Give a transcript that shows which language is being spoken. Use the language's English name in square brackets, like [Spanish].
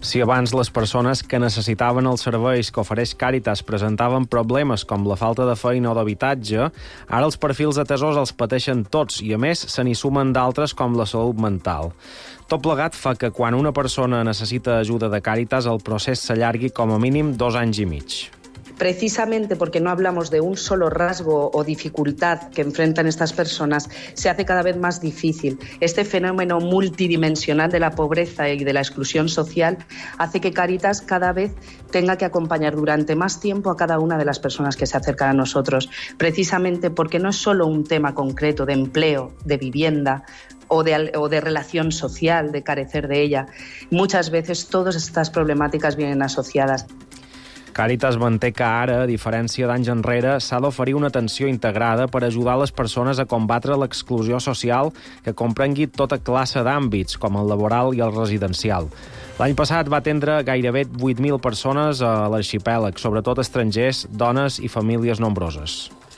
[Catalan] Si abans les persones que necessitaven els serveis que ofereix Càritas presentaven problemes com la falta de feina o d'habitatge, ara els perfils atesos els pateixen tots i, a més, se n'hi sumen d'altres com la salut mental. Tot plegat fa que quan una persona necessita ajuda de Càritas el procés s'allargui com a mínim 2 anys i mig. [Spanish] Precisamente porque no hablamos de un solo rasgo o dificultad que enfrentan estas personas, se hace cada vez más difícil. Este fenómeno multidimensional de la pobreza y de la exclusión social hace que Cáritas cada vez tenga que acompañar durante más tiempo a cada una de las personas que se acercan a nosotros. Precisamente porque no es solo un tema concreto de empleo, de vivienda o de relación social, de carecer de ella. Muchas veces todas estas problemáticas vienen asociadas. [Catalan] Càritas manté que ara, a diferència d'anys enrere, s'ha d'oferir una atenció integrada per ajudar les persones a combatre l'exclusió social que comprengui tota classe d'àmbits, com el laboral i el residencial. L'any passat va atendre gairebé 8.000 persones a l'arxipèlag, sobretot estrangers, dones i famílies nombroses.